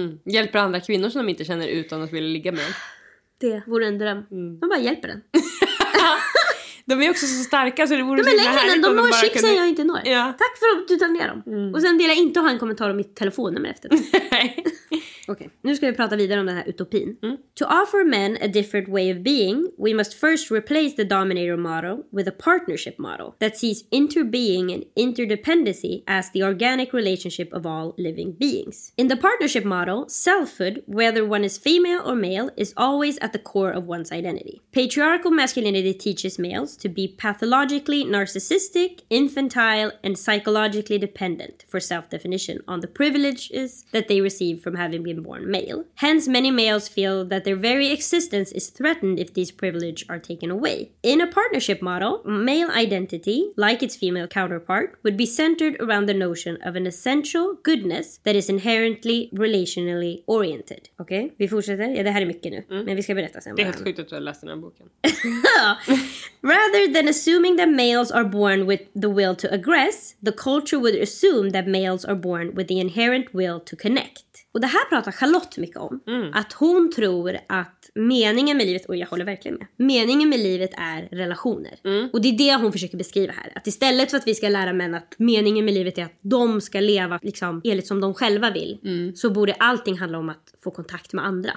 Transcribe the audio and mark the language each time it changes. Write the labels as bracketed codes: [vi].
[sv] Hjälper andra kvinnor som de inte känner utan att vilja ligga med. Det vore en dröm. De bara hjälper den. De är också så starka så det vore så jävla härligt. De har chipsen kunde... jag inte når. Ja. Tack för att du tar ner dem. Och sen vill jag inte ha en kommentar om mitt telefonnummer efter det. Okej, okay. Nu ska vi prata vidare om den här utopin. [en] To offer men a different way of being, we must first replace the dominator model with a partnership model that sees interbeing and interdependency as the organic relationship of all living beings. In the partnership model, selfhood, whether one is female or male, is always at the core of one's identity. Patriarchal masculinity teaches males to be pathologically narcissistic, infantile, and psychologically dependent for self-definition on the privileges that they receive from having been been born male. Hence, many males feel that their very existence is threatened if these privileges are taken away. In a partnership model, male identity, like its female counterpart, would be centered around the notion of an essential goodness that is inherently relationally oriented. [sv] Okej, okay? Vi fortsätter. Ja, det här är mycket nu, men vi ska berätta sen. Det är helt sjukt att du har läst den här boken. [en] Rather than assuming that males are born with the will to aggress, the culture would assume that males are born with the inherent will to connect. [sv] Och det här pratar Charlotte mycket om. Att hon tror att meningen med livet, och jag håller verkligen med, meningen med livet är relationer. Och det är det hon försöker beskriva här. Att istället för att vi ska lära män att meningen med livet är att de ska leva liksom enligt som de själva vill, så borde allting handla om att få kontakt med andra.